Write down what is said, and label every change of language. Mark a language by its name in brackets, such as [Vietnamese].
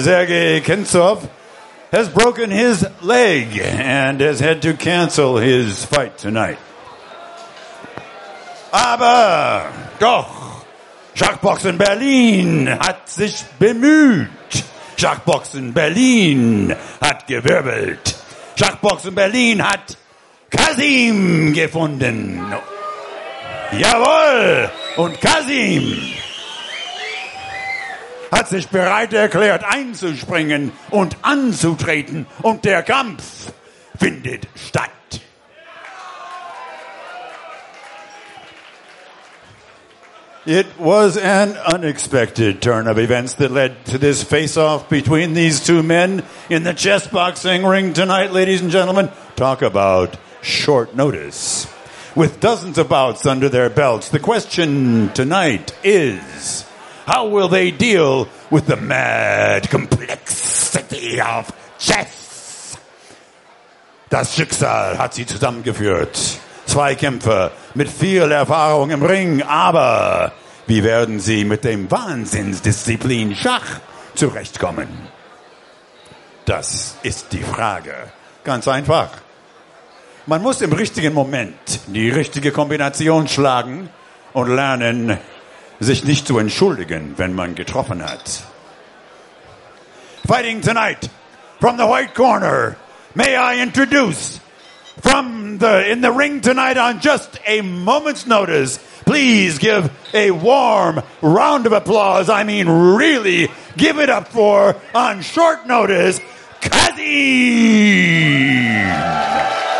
[English] Sergei Ksentjov has broken his leg and has had to cancel his fight tonight. [German] Aber doch, Schachboxen Berlin hat sich bemüht. Schachboxen Berlin hat gewirbelt. Schachboxen Berlin hat Kasim gefunden. Jawohl! Und Kasim hat sich bereit erklärt, einzuspringen und anzutreten. Und der Kampf findet statt. [English] It was an unexpected turn of events that led to this face-off between these two men in the chess boxing ring tonight, ladies and gentlemen. Talk about short notice. With dozens of bouts under their belts, the question tonight is, how will they deal with the mad complexity of chess? [German] Das Schicksal hat sie zusammengeführt. Zwei Kämpfer mit viel Erfahrung im Ring, aber wie werden sie mit dem Wahnsinnsdisziplin Schach zurechtkommen? Das ist die Frage. Ganz einfach. Man muss im richtigen Moment die richtige Kombination schlagen und lernen, sich nicht zu entschuldigen, wenn man getroffen hat. [English] Fighting tonight, from the white corner, may I introduce, in the ring tonight on just a moment's notice, please give a warm round of applause, I mean really give it up for, on short notice, Kazim!